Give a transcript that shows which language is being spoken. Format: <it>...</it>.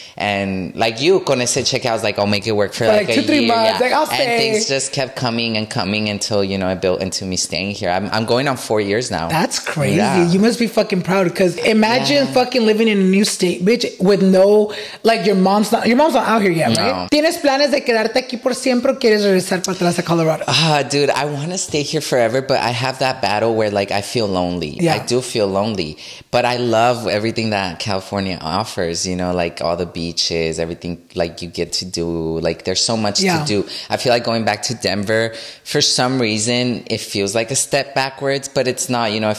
<en>And like you,</en> <es>con ese cheque,</es> <en>I was like, I'll make it work for like two, 3 months. Yeah. Like, I'll stay. And things just kept coming and coming until, you know, it built into me staying here. I'm going on 4 years now. That's crazy. Yeah. You must be fucking proud because imagine fucking living in a new state, bitch, with no, like your mom's not out here yet, no. Right?</en> <es>¿Tienes planes de quedarte aquí por siempre o quieres regresar para atrás a Colorado?</es> <en>Dude, I want to stay here forever, but I have that battle where like I feel lonely. Yeah. I do feel lonely, but I love everything that California offers, you know, like all the beaches, everything like you get to do, like there's so much to do. I feel like going back to Denver, for some reason it feels like a step backwards, but it's not, you know.</en>